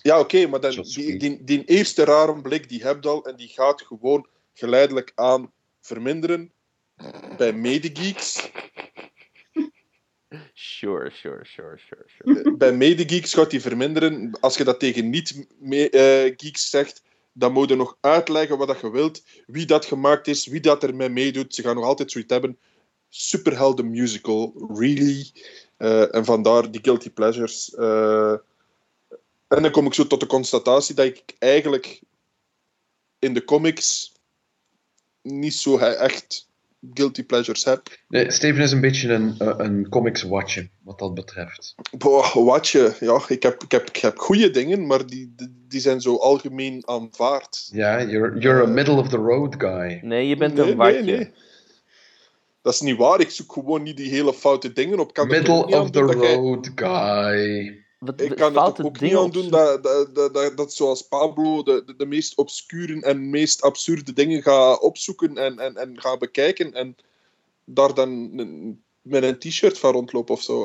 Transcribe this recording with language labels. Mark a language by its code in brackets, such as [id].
[nl] Ja, oké, okay, maar dan die eerste rare blik, die heb je al, en die gaat gewoon geleidelijk aan verminderen bij Medegeeks. [en] Sure. [nl] Bij Medegeeks gaat die verminderen. Als je dat tegen niet-geeks zegt, dan moet je nog uitleggen wat je wilt, wie dat gemaakt is, wie dat ermee meedoet. Ze gaan nog altijd zoiets hebben. Superhelden musical, really. En vandaar die guilty pleasures. En dan kom ik zo tot de constatatie dat ik eigenlijk in de comics niet zo echt guilty pleasures heb. Nee, Steven is een beetje een comics watcher, wat dat betreft. Watchen, ja. Ik heb goede dingen, maar die zijn zo algemeen aanvaard. [en] Ja, you're a middle-of-the-road guy. [nl] Nee, je bent een watcher. Nee. Dat is niet waar. Ik zoek gewoon niet die hele foute dingen op. [en] Middle of the road, guy. [nl] Ik kan het ook niet aandoen dat zoals Pablo de meest obscure en meest absurde dingen gaat opzoeken en gaat bekijken en daar dan met een t-shirt van rondlopen of zo.